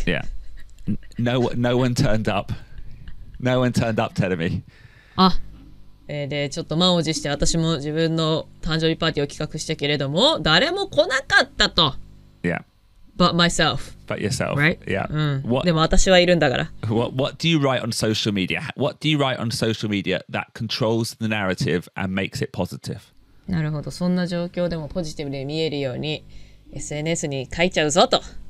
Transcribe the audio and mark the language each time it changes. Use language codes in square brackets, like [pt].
[en] Yeah. No one turned up. No one turned up, tell me. [ja] あ、で、ちょっと満を持して私も自分の誕生日パーティーを企画したけれども、誰も来なかったと。 [en] Yeah. But myself. But yourself. Right? Yeah. [ja] でも私はいるんだから。 [en] What do you write on social media? What do you write on social media that controls the narrative and makes it positive? [ja] なるほど。そんな状況でもポジティブに見えるように SNS に書いちゃうぞと。